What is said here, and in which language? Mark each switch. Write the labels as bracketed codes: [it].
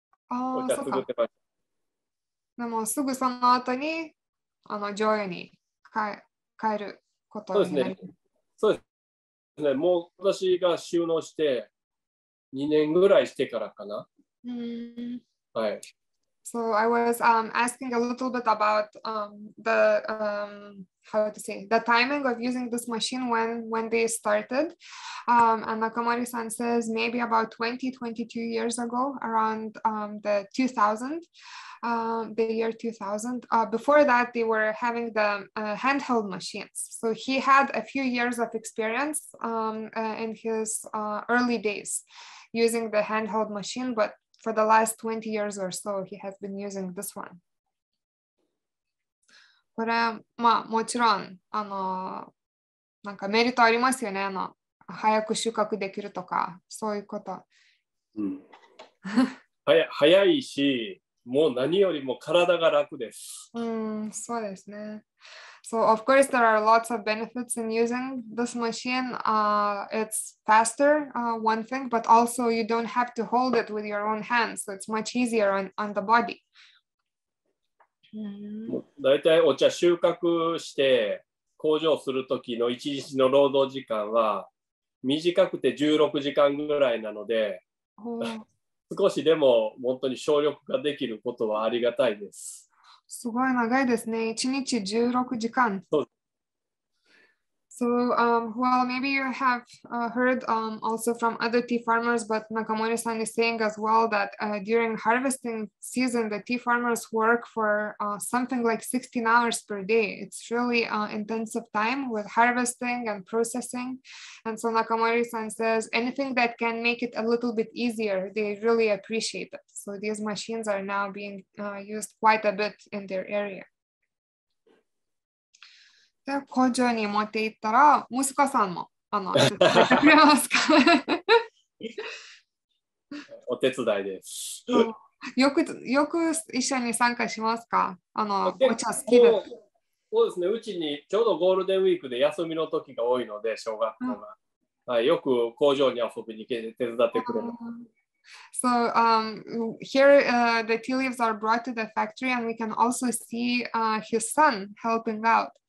[ja] お茶作ってました。でもすぐその後にあの上位に変えることになる。そうですね。そうですね。もう私が収納して2年ぐらいしてからかな。はい。 [en] So I was asking a little bit about the how to say the timing of using this machine when they started. And Nakamori-san says maybe about 20-22 years ago, around the 2000. The year 2000. Before that, they were having the handheld machines. So he had a few years of experience in his early days using the handheld machine, but for the last 20 years or so, he has been using this one. [ja] これ、まあ、もちろん、あの、なんかメリットありますよね。あの、早く収穫できるとか、そういうこと。うん。早いし、もう何よりも体が楽です。うん、そうですね。 [en] So of course there are lots of benefits in using this machine. It's faster, one thing, but also you don't have to hold it with your own hands, so it's much easier on the body. [ja] だいたいお茶収穫して工場する時の1日の労働時間は短くて16時間ぐらいなので。少しでも本当に省力ができることはありがたいです。すごい長いですね。1日16時間。そう。 [en] So, well, maybe you have heard also from other tea farmers, but Nakamori-san is saying as well that during harvesting season, the tea farmers work for something like 16 hours per day. It's really intensive time with harvesting and processing. And so Nakamori-san says anything that can make it a little bit easier, they really appreciate it. So these machines are now being used quite a bit in their area. [ja] で工場に持って行ったら、息子さんもあの手伝ってくれますか？お手伝いです。よく一緒に参加しますか？あのお茶好きで。そうですね。うちにちょうどゴールデンウィークで休みの時が多いので、小学校が、うん、はい、よく工場に遊びに行けて手伝ってくれます。 [en] So here the tea leaves are brought to the factory, and we can also see his son helping out.